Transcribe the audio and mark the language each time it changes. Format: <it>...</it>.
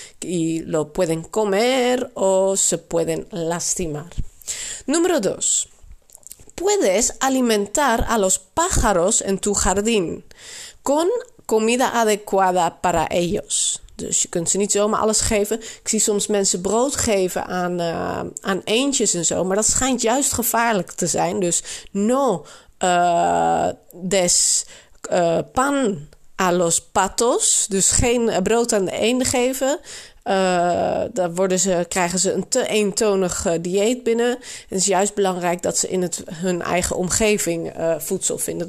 <es>Y lo pueden comer o se pueden lastimar. Número 2. Puedes alimentar a los pájaros en tu jardín con comida adecuada para ellos.</es> <nl>Dus je kunt ze niet zomaar alles geven. Ik zie soms mensen brood geven aan eendjes en zo. Maar dat schijnt juist gevaarlijk te zijn.</nl> <es>Dus no des pan a los patos.</es> <nl>Dus geen brood aan de eenden geven. Daar krijgen ze een te eentonig dieet binnen. En het is juist belangrijk dat ze in hun eigen omgeving voedsel vinden.</nl>